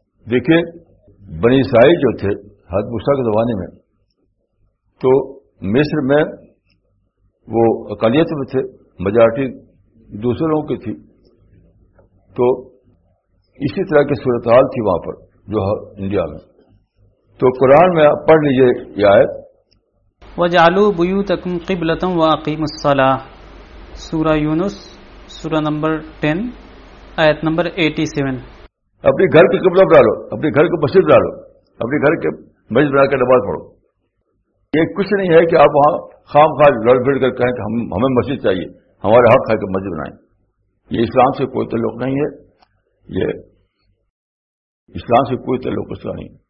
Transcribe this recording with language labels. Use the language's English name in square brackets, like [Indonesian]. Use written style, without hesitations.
[Urdu] دیکھیں بنی اسرائیل جو تھے حضرت موسیٰ کے زمانے میں, تو مصر میں وہ اقلیت میں تھے, مجارٹی دوسرے لوگوں کی تھی. تو اسی طرح کی صورتحال تھی وہاں پر جو انڈیا میں. تو قرآن میں آپ پڑھ لیجئے یہ آیت, [Arabic] وجعلوا بيوتكم قبلة واقيموا الصلاة, سورة يونس, [Urdu] سورة نمبر 10, آیت نمبر 87. اپنے گھر کی قبلہ ڈالو, اپنے گھر کو مسجد ڈالو, اپنے گھر کے مسجد بنا کے نماز پڑھو. یہ کچھ نہیں ہے کہ آپ وہاں خام خواہ لڑ بھیڑ کر کہیں کہ ہمیں مسجد چاہیے, ہمارا حق ہے کہ مسجد بنائیں. یہ اسلام سے کوئی تعلق نہیں ہے, یہ اسلام سے کوئی تعلق اس کا نہیں.